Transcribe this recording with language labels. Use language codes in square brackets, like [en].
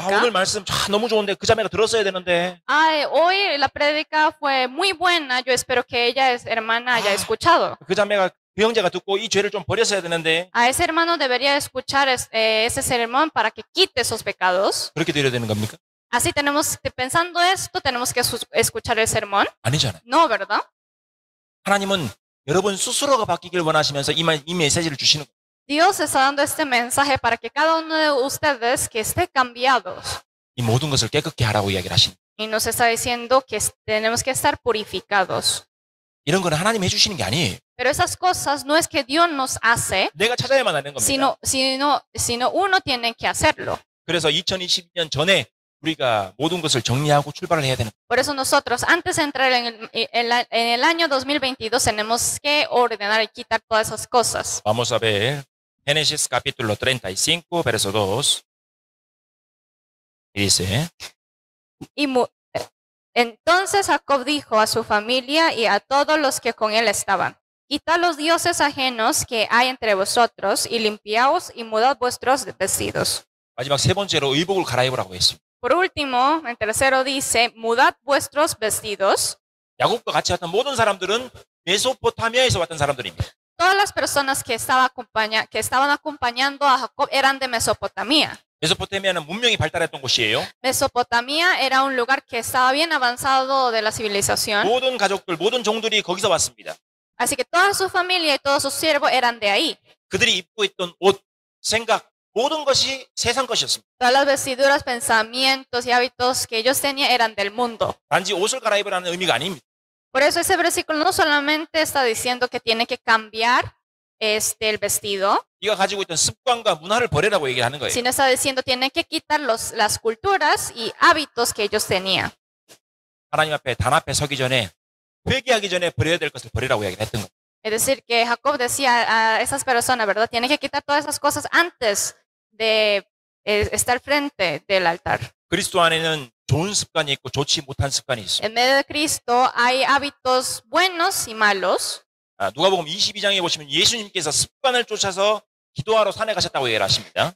[ko] 아, 오늘 말씀 참 너무 좋은데 그 자매가 들었어야 되는데. [es] Ay, hoy la prédica fue muy buena. Yo espero que ella es hermana haya escuchado. [ko] 그 자매가 그 형제가 듣고 이 죄를 좀 버렸어야 되는데. [es] Ah, ese hermano debería escuchar ese sermón para que quite esos pecados. [ko] 그렇게 드려야 되는 겁니까? [es] Así tenemos pensando esto, tenemos que escuchar el sermón. [ko] 아니잖아요. [es] No, ¿verdad? [ko] 하나님은 여러분 스스로가 바뀌길 원하시면서 이 메시지를 주시는 거예요. [es] Dios está dando este mensaje para que cada uno de ustedes que esté cambiados. [ko] 이 모든 것을 깨끗게 하라고 이야기를 하신. [es] Y nos está diciendo que tenemos que estar purificados. [ko] 이런 건 하나님이 해주시는 게 아니에요. [es] Pero esas cosas no es que Dios nos hace. [ko] 내가 찾아야만 하는 겁니다. [es] Sino uno tiene que hacerlo. [ko] 그래서 2022년 전에 우리가 모든 것을 정리하고 출발을 해야 되는. [es] Por eso nosotros antes de entrar en el año 2022 tenemos que ordenar y quitar todas esas cosas. Vamos a ver Génesis capítulo 35 verso 2. Y dice. Entonces Jacob dijo a su familia y a todos los que con él estaban: Quitad los dioses ajenos que hay entre vosotros y limpiaos y mudad vuestros vestidos. [ko] 마지막 세 번째로 의복을 갈아입으라고 했습니다. [es] Por último, en tercero dice, mudad vuestros vestidos. [ko] 야곱과 같이 왔던 모든 사람들은 메소포타미아에서 왔던 사람들입니다. [es] Todas las personas que estaban acompañando a Jacob eran de Mesopotamia. [ko] 메소포타미아는 문명이 발달했던 곳이에요. [es] Mesopotamia era un lugar que estaba bien avanzado de la civilización. [ko] 모든 가족들, 모든 종들이 거기서 왔습니다. [es] Así que toda su familia y todos sus siervos eran de ahí. [ko] 그들이 입고 있던 옷, 생각 모든 것이 세상 것이었습니다. [es] Todas las vestiduras, pensamientos y hábitos que ellos tenían eran del mundo. [ko] 단지 옷을 갈아입으라는 의미가 아닙니다. [es] Por eso ese versículo no solamente está diciendo que tiene que cambiar el vestido. [ko] 네가 가지고 있던 습관과 문화를 버리라고 얘기하는 거예요. [es] Sino está diciendo tiene que quitar las culturas y hábitos que ellos tenían. [ko] 하나님 앞에 단 앞에 서기 전에 회개하기 전에 버려야 될 것을 버리라고 얘기를 했던 거예요. [es] Es decir, que Jacob decía a esas personas, ¿verdad? Tiene que quitar todas esas cosas antes de estar frente del altar. [ko] 그리스도 안에는 좋은 습관이 있고 좋지 못한 습관이 있습니다. [es] En medio de Cristo hay hábitos buenos y malos. [ko] 누가복음 22장에 보시면 예수님께서 습관을 쫓아서 기도하러 산에 가셨다고 얘기를 하십니다.